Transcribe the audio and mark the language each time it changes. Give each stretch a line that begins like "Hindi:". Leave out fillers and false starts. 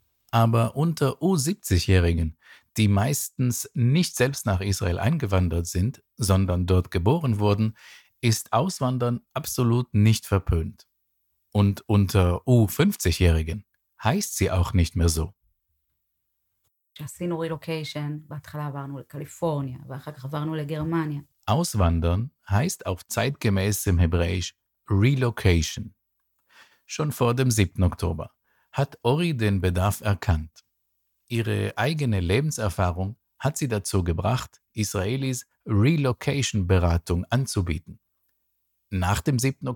German: Aber unter U-70-Jährigen, die meistens nicht selbst nach Israel eingewandert sind, sondern dort geboren wurden, ist Auswandern absolut nicht verpönt. Und unter U50-Jährigen heißt sie auch nicht mehr so.
Hebrew: שעשינו רילוקיישן, בהתחלה עברנו לקליפורניה, ואחר כך עברנו לגרמניה.
German: Auswandern heißt auf zeitgemäßem Hebräisch Relocation. Schon vor dem 7. Oktober hat Ori den Bedarf erkannt. Ihre eigene Lebenserfahrung hat sie dazu gebracht, Israelis Relocation-Beratung anzubieten. Nach dem 7.